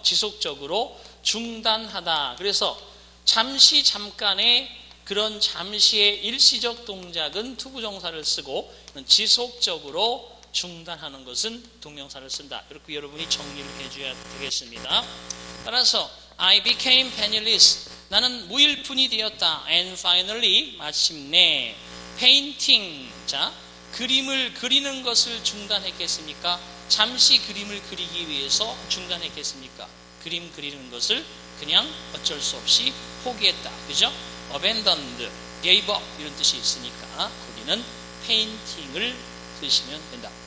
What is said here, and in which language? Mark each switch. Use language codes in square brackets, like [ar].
[ko] 지속적으로 중단하다. 그래서 잠시 잠깐의 그런 잠시의 일시적 동작은 to 부정사를 쓰고 지속적으로 중단하는 것은 동명사를 쓴다. 이렇게 여러분이 정리를 해줘야 되겠습니다. 따라서 [en] I became penniless. [ko] 나는 무일푼이 되었다. [en] And finally, [ko] 마침내 [en] painting. [ko] 자, 그림을 그리는 것을 중단했겠습니까? 잠시 그림을 그리기 위해서 중단했겠습니까? 그림 그리는 것을 그냥 어쩔 수 없이 포기했다. 그죠? [en] abandoned, gave up [ko] 이런 뜻이 있으니까 우리는 painting을 쓰시면 된다.